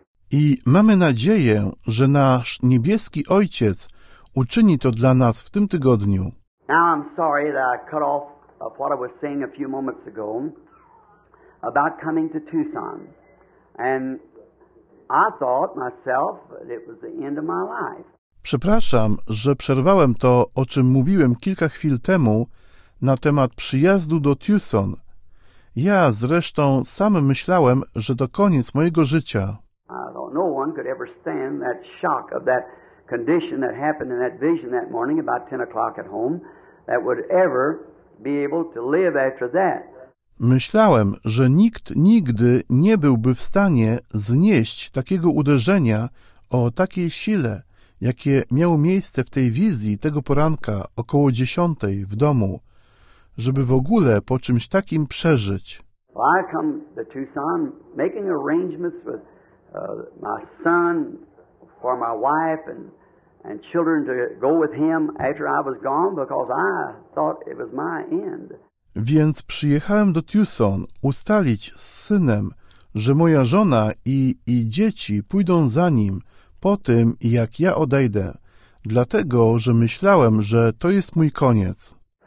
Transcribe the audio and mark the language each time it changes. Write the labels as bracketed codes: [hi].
[pl] I mamy nadzieję, że nasz niebieski Ojciec uczyni to dla nas w tym tygodniu. [en] Now I'm sorry that I cut off of what I was saying a few moments ago about coming to Tucson. And I thought myself that it was the end of my life. [pl] Przepraszam, że przerwałem to, o czym mówiłem kilka chwil temu, na temat przyjazdu do Tucson. Ja zresztą sam myślałem, że to koniec mojego życia. [en] No one could ever stand that shock of that condition that happened in that vision that morning about 10 o'clock at home that would ever be able to live after that. [pl] Myślałem, że nikt nigdy nie byłby w stanie znieść takiego uderzenia o takiej sile, jakie miało miejsce w tej wizji tego poranka około 10 w domu, żeby w ogóle po czymś takim przeżyć. [en] Well, I come to Tucson making arrangements with my son for my wife and children to go with him after I was gone because I thought it was my end. [pl] Więc przyjechałem do Tucson ustalić z synem, że moja żona i dzieci pójdą za nim po tym, jak ja odejdę, dlatego, że myślałem, że to jest mój koniec.